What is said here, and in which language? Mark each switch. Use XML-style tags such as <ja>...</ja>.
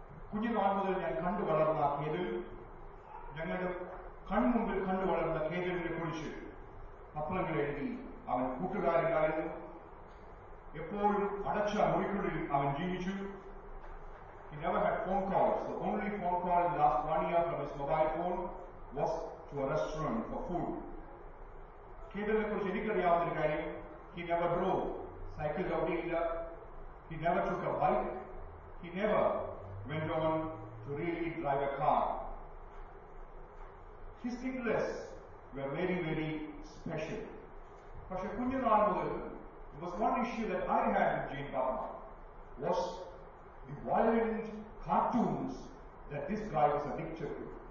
<ml>കുഞ്ഞുനാൾ മുതൽ ഞാൻ കണ്ടു വളർന്ന കേതൽ, ഞങ്ങളുടെ കൺമുമ്പിൽ കണ്ടു വളർന്ന കേതലിനെ കുറിച്ച് പത്രങ്ങൾ എഴുതി. അവൻ കൂട്ടുകാരനായിരുന്നു. എപ്പോഴും അടച്ച മുറിക്കുള്ളിൽ അവൻ ജീവിച്ചു.</ml> <en>He never had phone calls. The only phone call in the last 1 year from his mobile phone was to a restaurant for food.</en> <ml>കേതലിനെ കുറിച്ച് എനിക്കറിയാവുന്നൊരു കാര്യം,</ml> <en>he never drove,</en> <ml>cycle ചവിട്ടിയില്ല.</ml> <en>He never took a bike. He never went on to really drive a car. His English were very very special.</en> <ml>പക്ഷെ കുഞ്ഞുനാൾ മുതൽ</ml> <en>It was one issue that I had with Jean Padma was the violent cartoons that this guy was addicted to.</en>